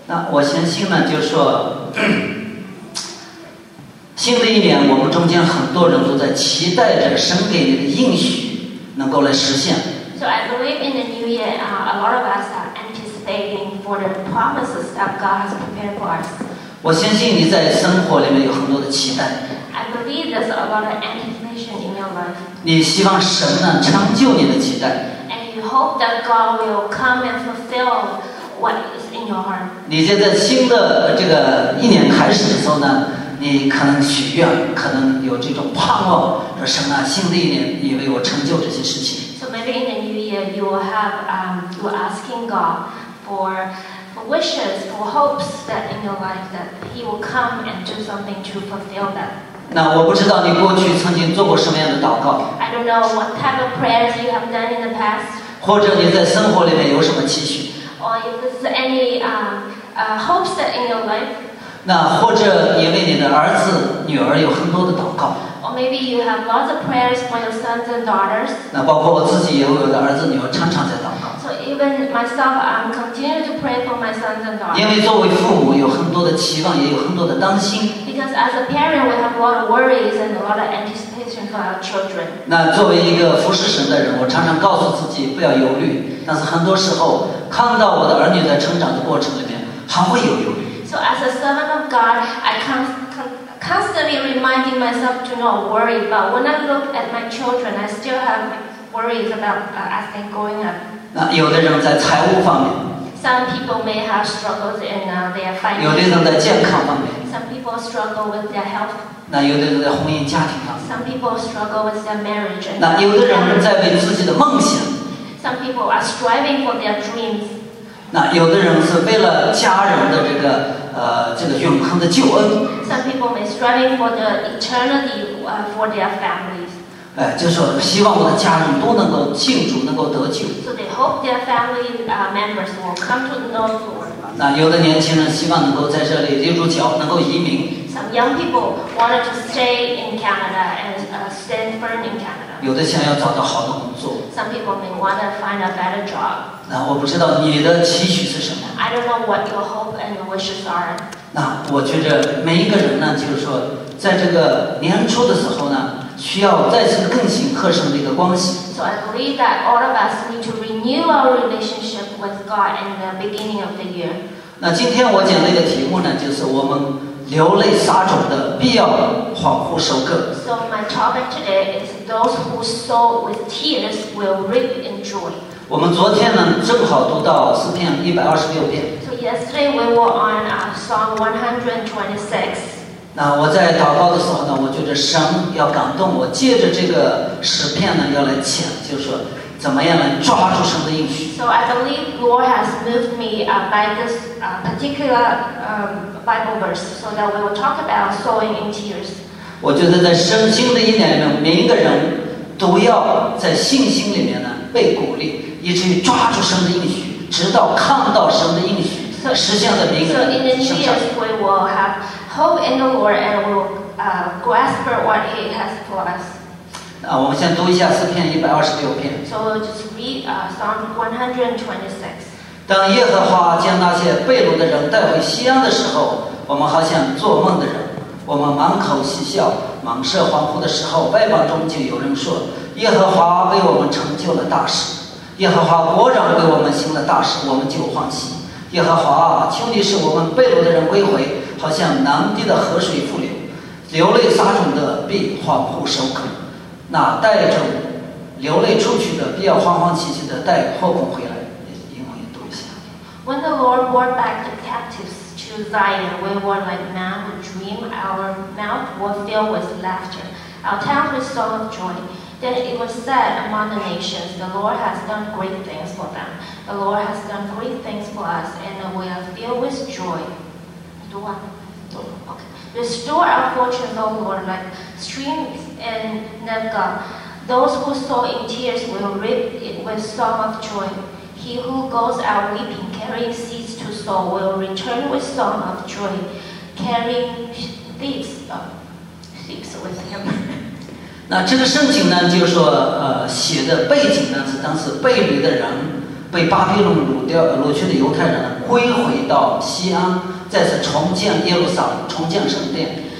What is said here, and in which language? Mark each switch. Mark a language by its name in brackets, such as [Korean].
[Chinese] 我相信呢，就是说新的一年我们中间很多人都在期待着神给你的应许能够来实现。 [English] So I believe in the new year, a lot of us are anticipating for the promises that God has prepared for us. [Chinese] 我相信你在生活里面有很多的期待。 [English] I believe there's a lot of anticipation in your life. [Chinese] 你希望神呢成就你的期待。 [English] And you hope that God will come and fulfill what is in your heart. [Chinese] 你现在新的这个一年开始的时候呢，你可能许愿，可能有这种盼望，说神啊，新的一年你为我成就这些事情。 [English] So maybe in the new year you will have you are asking God for wishes, for hopes that in your life that He will come and do something to fulfill them. [Chinese] 那我不知道你过去曾经做过什么样的祷告。 [English] I don't know what type of prayers you have done in the past. [Chinese] 或者你在生活里面有什么期许。 [English] Or if there's any hopes that in your life. [Chinese] 那或者你为你的儿子女儿有很多的祷告。 [English] Or maybe you have lots of prayers for your sons and daughters. [Chinese] 那包括我自己也为我的儿子女儿常常在祷告。 [English] So even myself, I'm continuing to pray for my sons and daughters. [Chinese] 因为作为父母有很多的期望，也有很多的担心。 [English] Because as a parent, we have a lot of worries and a lot of anticipation for our children. [Chinese] 那作为一个服侍神的人，我常常告诉自己不要忧虑，但是很多时候看到我的儿女在成长的过程里面，还会有忧虑。 [English] So as a servant of God, I constantly reminding myself to not worry. But when I look at my children, I still have worries about as they growing up. [Chinese] 那有的人在财务方面。 [English] Some people may have struggles in their finances. [Chinese] 有的人在健康方面。 [English] Some people struggle with their health. [Chinese] 那有的人在婚姻家庭上。 [English] Some people struggle with their marriage. [Chinese] 那有的人在为自己的梦想。 [English] Some people are striving for their dreams. [Chinese] 那有的人是为了家人的这个这个永恒的救恩。 [English] Some people may striving for the eternity for their families. [Chinese] 哎，就是说希望我的家人都能够信主，能够得救。 [English] So they hope their family members will come to know the Lord. [Chinese] 那有的年轻人希望能够在这里立住脚，能够移民。 [English] Some young people wanted to stay in Canada and stand firm in Canada. [Chinese] 有的想要找到好的工作。 [English] Some people may want to find a better job. [Chinese] 那我不知道你的期许是什么。 [English] I don't know what your hope and your wishes are. [Chinese] 那我觉得每一个人呢，就是说，在这个年初的时候呢，需要再次更新和神的一个关系。 [English] So I believe that all of us need to renew our relationship with God in the beginning of the year. [Chinese] 那今天我讲的一个题目呢，就是我们流泪撒种的必要恍惚收割。 [English] So my topic today is those who sow with tears will reap in joy. [Chinese] 我们昨天呢正好读到诗篇一百二十六篇。 [English] So yesterday we were on Psalm 126. [Chinese] 那我在祷告的时候呢，我觉得神要感动我，借着这个诗篇呢要来讲，就是说怎么样来抓住神的应许。 [English] So I believe Lord has moved me by this particular Bible verse, so that we will talk about sowing in tears. [Chinese] 我觉得在圣经的一年里面，每一个人都要在信心里面呢被鼓励，以至于抓住神的应许，直到看到神的应许实现在每一个人身上。 [English] So in the new year, we will have hope in the Lord and we will grasp what He has for us. [Chinese] 啊，我们先读一下诗篇一百二十六篇。 [English] So we'll just read Psalm 126. [Chinese] 当耶和华将那些被掳的人带回锡安的时候，我们好像做梦的人，我们满口嬉笑，满舌欢呼的时候，外邦中就有人说：耶和华为我们成就了大事，耶和华果然为我们行了大事，我们就欢喜。耶和华啊，求你使我们被掳的人归回，好像南地的河水复流，流泪撒种的必欢呼收割。那带着流泪出去的，必要欢欢喜喜的带破鼓回来。英文也读一下。 [English] When the Lord brought back the captives to Zion, we were like men who dream. Our mouth was filled with laughter, our tongue with song of joy. Then it was said among the nations, "The Lord has done great things for them. The Lord has done great things for us, and we are filled with joy." [Chinese] 读完。 [English] Restore our fortunes, O Lord, like streams in Nebga. Those who sow in tears will reap it with song of joy. He who goes out weeping, carrying seeds to sow, will return with song of joy, carrying thieves with him. [Chinese] 那这个圣经呢，就是说，写的背景呢，是当时被掳的人，被巴比伦掳去的犹太人归回到西安，再次重建耶路撒冷，重建圣殿。